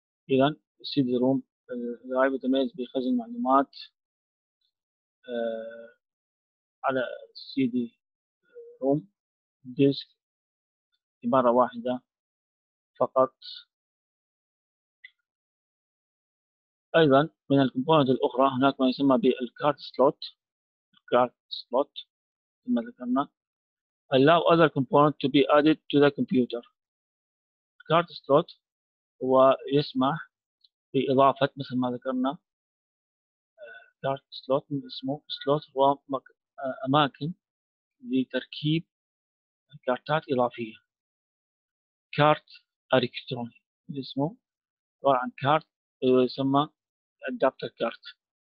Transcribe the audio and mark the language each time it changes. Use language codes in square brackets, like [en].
[ar] إذا سي دي روم درايف يتميز بخزن معلومات على سي دي روم ديسك عبارة واحدة فقط. أيضا من الكومبوننت الأخرى هناك ما يسمى بالكارت سلوت. الكارت سلوت كما ذكرنا [en] allow other component to be added to the computer. [ar] الكارت سلوت هو يسمح بإضافة مثل ما ذكرنا كارت سلوت من اسمه سلوت هو أماكن لتركيب كارتات إضافية. كارت إلكتروني اسمه عبارة عن كارت يسمى adapter card.